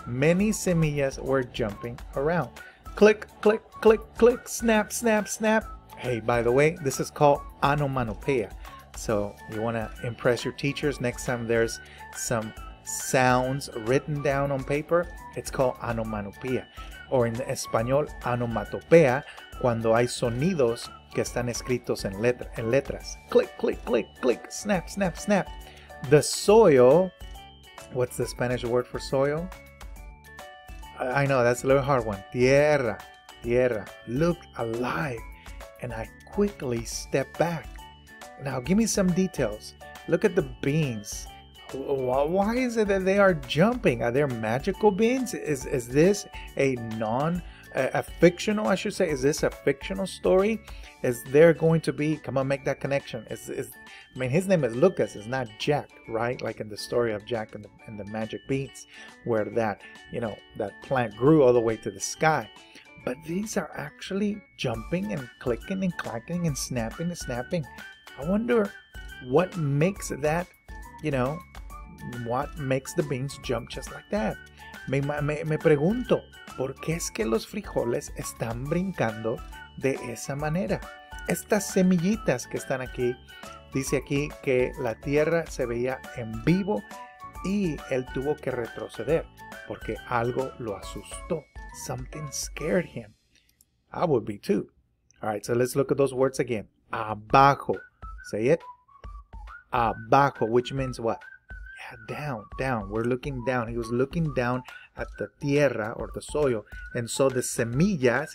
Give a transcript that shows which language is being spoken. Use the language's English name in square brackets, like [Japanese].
[English] Many semillas were jumping around. Click, click, click, click, snap, snap, snap. Hey, by the way, this is called onomatopoeia. So you want to impress your teachers next time there's some sounds written down on paper. It's called onomatopoeia. Or in Espanol, [Spanish] onomatopoeia, cuando hay sonidos que están escritos en letras. [English] Click, click, click, click, snap, snap, snap. The soil, what's the Spanish word for soil? I know, that's a little hard one. Tierra, tierra, looked alive, and I quickly stepped back. Now, give me some details. Look at the beans. Why is it that they are jumping? Are there magical beans? Is this is this a fictional story? Is there going to be, come on, make that connection. His name is Lucas, it's not Jack, right? Like in the story of Jack and the magic beans, where that, you know, that plant grew all the way to the sky. But these are actually jumping and clicking and clacking and snapping and snapping. I wonder what makes that, you know, what makes the beans jump just like that? [Spanish] Me pregunto, ¿por qué es que los frijoles están brincando de esa manera? Estas semillitas que están aquí, dice aquí que la tierra se veía en vivo y él tuvo que retroceder porque algo lo asustó. [English] Something scared him. I would be too. All right, so let's look at those words again. Abajo. Say it. Abajo, which means what? Yeah, down, down. We're looking down. He was looking down at the tierra or the soil and saw the semillas.